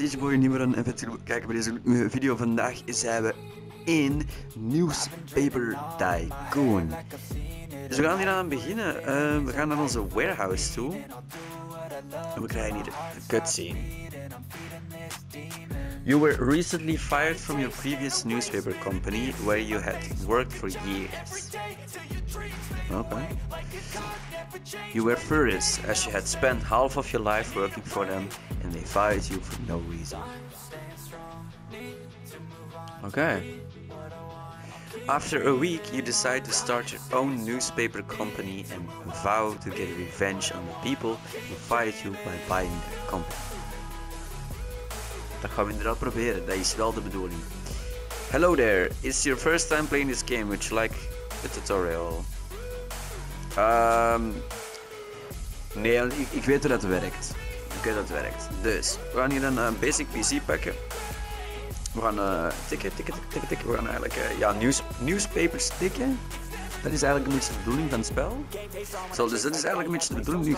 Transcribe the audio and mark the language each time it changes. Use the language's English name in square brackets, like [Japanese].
[English] It's your boy [Dutch] Nimran en vet jullie kijken bij deze video. Vandaag zijn we in Newspaper Tycoon. Dus we gaan hier aan beginnen. We gaan naar onze warehouse toe. En we krijgen hier een cutscene. [English] You were recently fired from your previous newspaper company where you had worked for years. Okay. You were furious as you had spent half of your life working for them and they fired you for no reason. Okay. After a week, you decide to start your own newspaper company and vow to get revenge on the people who fired you by buying their company. [Dutch] Dat gaan we inderdaad proberen, dat is wel de bedoeling. [English] Hello there, it's your first time playing this game, would you like the tutorial? [Dutch] Nee, ik weet hoe dat werkt. Ik weet hoe dat werkt. Dus, we gaan hier een basic PC pakken. We gaan tikken. We gaan eigenlijk newspapers tikken. Dat is eigenlijk een beetje de bedoeling van het spel. Zo, dus dat is eigenlijk een beetje de bedoeling.